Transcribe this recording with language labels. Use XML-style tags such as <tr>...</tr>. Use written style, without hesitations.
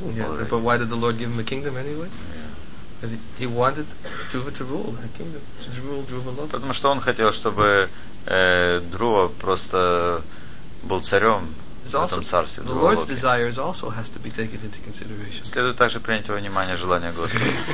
<en>Yeah, but why did the Lord give him a kingdom anyway? Because he wanted Dhruva to rule, a kingdom, to rule Dhruva Loka.</en> <ru>Потому что он хотел, чтобы Dhruva просто был царем.</ru> <en>The Lord's desires also has to be taken into consideration.</en> <ru>Следует также принять во внимание желания Господа.</ru>